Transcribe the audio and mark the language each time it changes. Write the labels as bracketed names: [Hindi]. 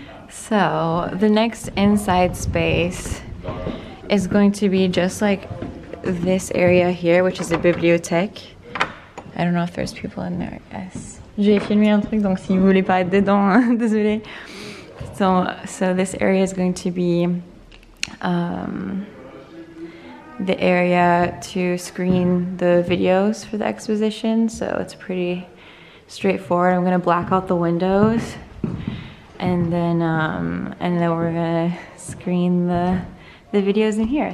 [English] So the next inside space is going to be just like this area here, which is a bibliothèque. I don't know if there's people in there, I guess. [French] J'ai filmé un truc, donc si vous voulez pas être dedans, désolé. [English] So this area is going to be the area to screen the videos for the exposition. So it's pretty straightforward. I'm gonna black out the windows, and then we're gonna screen the videos in here.